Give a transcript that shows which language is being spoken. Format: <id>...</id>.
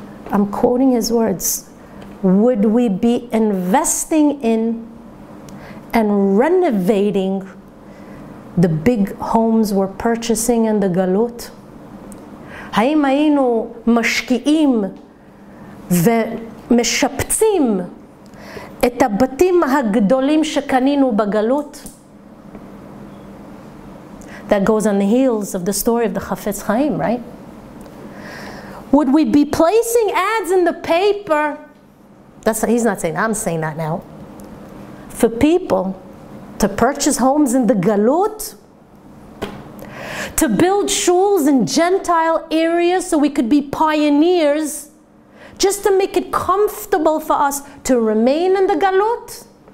<en>I'm quoting his words, would we be investing in and renovating the big homes we're purchasing in the galut?</en> <he>האם היינו משקיעים ומשפצים את הבתים הגדולים שקנינו בגלות?</he> <en>That goes on the heels of the story of the Chafetz Chaim, right? Would we be placing ads in the paper He's not saying, I'm saying that now. For people to purchase homes in the Galut, to build shuls in Gentile areas so we could be pioneers, just to make it comfortable for us to remain in the Galut?</en>